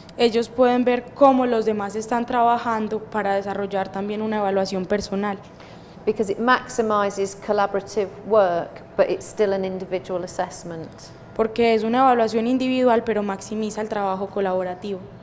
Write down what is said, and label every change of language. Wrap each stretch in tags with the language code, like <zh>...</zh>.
<es>Ellos pueden ver cómo los demás están trabajando para desarrollar también una evaluación personal.</es> <en>Because it maximizes collaborative work, but it's still an individual assessment.</en> <es>Porque es una evaluación individual, pero maximiza el trabajo colaborativo.</es>